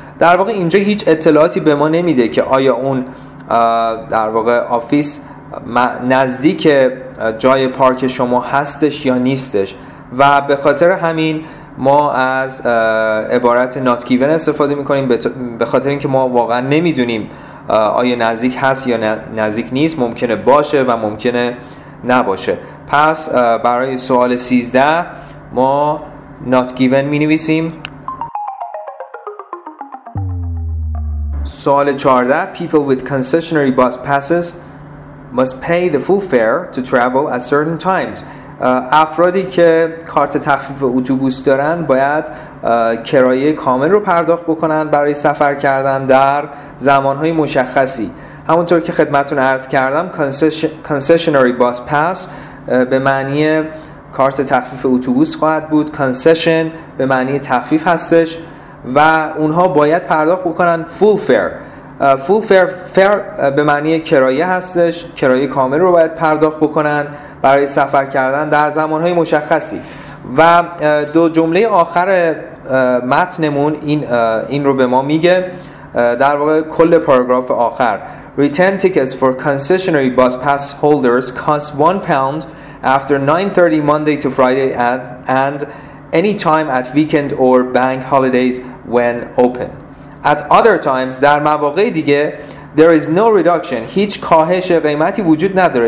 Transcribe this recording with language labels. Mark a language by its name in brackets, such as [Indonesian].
[Persian] در واقع اینجا هیچ اطلاعاتی به ما نمیده که آیا اون در واقع آفیس نزدیک جای پارک شما هستش یا نیستش و به خاطر همین ما از عبارت not given استفاده میکنیم، به خاطر اینکه ما واقعا نمیدونیم آیا نزدیک هست یا نزدیک نیست، ممکنه باشه و ممکنه نباشه. پس برای سوال 13 ما not given مینویسیم. سوال 14: [English] People with concessionary bus passes must pay the full fare to travel at certain times. [Persian] افرادی که کارت تخفیف اتوبوس دارن باید کرایه کامل رو پرداخت بکنن برای سفر کردن در زمانهای مشخصی. همونطور که خدمتون عرض کردم concessionary bus pass به معنی کارت تخفیف اتوبوس خواهد بود. concession به معنی تخفیف هستش و اونها باید پرداخت بکنن full fare. full fare به معنی کرایه هستش، کرایه کامل رو باید پرداخت بکنن برای سفر کردن در زمان‌های مشخصی. و دو جمله آخر متنمون این رو به ما میگه، در واقع کل پاراگراف آخر: [English] Return tickets for concessionary bus pass holders cost £1 after 9:30 Monday to Friday and any time at weekend or bank holidays when open. At other times, [Persian] در مواقع دیگه, [English] there is no reduction. [Persian] هیچ کاهش قیمتی وجود نداره.